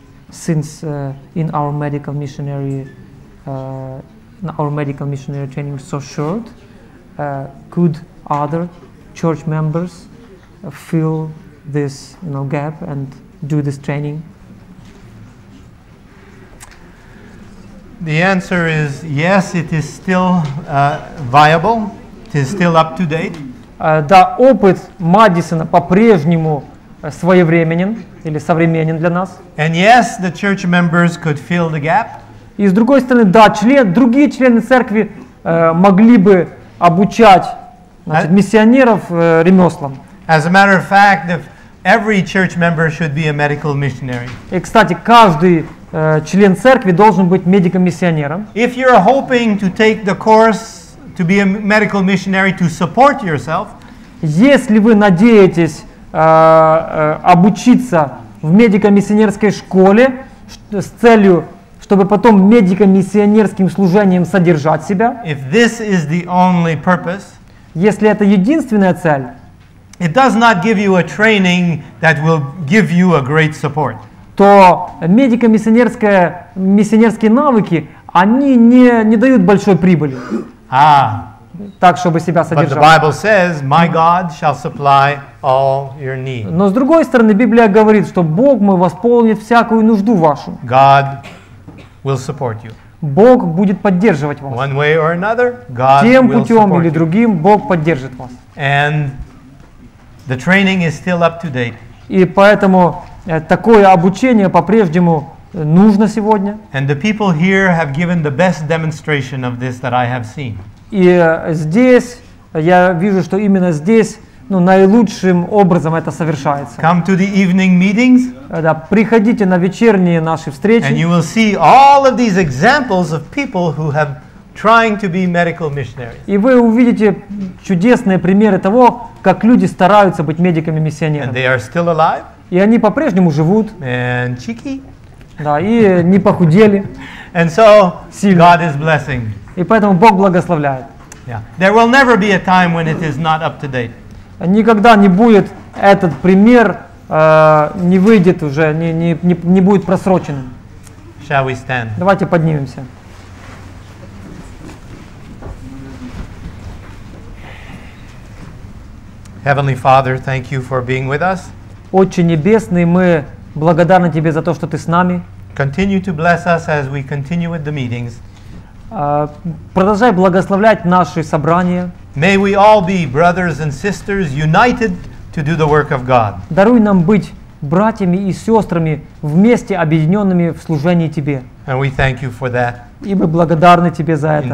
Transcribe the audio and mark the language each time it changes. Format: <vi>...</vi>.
<en>Since in our medical missionary training so short, could other church members fill this, you know, gap and do this training? The answer is yes, it is still viable. It is still up to date.</en> <ru>Да, опыт Мадисона по-прежнему своевременен или современен для нас.</ru> <en>And yes, the church members could fill the gap.</en> <ru>И с другой стороны, да, другие члены церкви могли бы обучать, значит, миссионеров ремеслам.</ru> <en>As a matter of fact, if every church member should be a medical missionary.</en> <ru>І, кстати, кожен член церкви должен быть медико-миссионером.</ru> <en>If you're hoping to take the course to be a medical missionary to support yourself,</en> <ru>если вы надеетесь обучиться в медико-миссионерской школе с целью, чтобы потом медико-миссионерским служением содержать себя,</ru> <en>if this is the only purpose,</en> <ru>если это единственная цель,</ru> <en>it does not give you a training that will give you a great support,</en> <ru>то медико-миссионерская, миссионерские навыки, они не дают большой прибыли. Так, чтобы себя содержать.</ru> <en>But the Bible says, my God shall supply all your need.</en> <ru>Но с другой стороны, Библия говорит, что Бог мой восполнит всякую нужду вашу.</ru> <en>God will support you.</en> <ru>Бог будет поддерживать вас.</ru> <en>One way or another, God</en> <ru>тем путем или другим, Бог поддержит вас.</ru> <en>And the training is still up to date.</en> <ru>И поэтому такое обучение по-прежнему нужно сегодня.</ru> <en>And the people here have given the best demonstration of this that I have seen.</en> <ru>И здесь, я вижу, что именно здесь, ну, наилучшим образом это совершается.</ru> <en>Come to the evening meetings.</en> <ru>Да, приходите на вечерние наши встречи.</ru> <en>And you will see all of these examples of people who have trying to be medical missionaries.</en> <ru>И вы увидите чудесные примеры того, как люди стараются быть медиками-миссионерами.</ru> <en>And they are still alive.</en> <ru>И они по-прежнему живут.</ru> <en>And cheeky.</en> <ru>Да, и не похудели.</ru> <en>And so,</en> <ru>сильно.</ru> <en>God is blessing.</en> <ru>И поэтому Бог благословляет.</ru> <en>Yeah. There will never be a time when it is not up to date.</en> <ru>Никогда не будет этот пример, не выйдет уже, не будет просроченным.</ru> <en>Shall we stand?</en> <ru>Давайте поднимемся.</ru> <en>Heavenly Father, thank you for being with us.</en> <ru>Отче Небесный, мы благодарны Тебе за то, что Ты с нами.</ru> <en>Continue to bless us as we continue with the meetings.</en> <ru>Продолжай благословлять наши собрания.</ru> <en>May we all be brothers and sisters united to do the work of God.</en> <ru>Даруй нам быть братьями и сестрами, вместе объединенными в служении Тебе.</ru> <en>And we thank you for that.</en> <ru>И мы благодарны Тебе за это.</ru>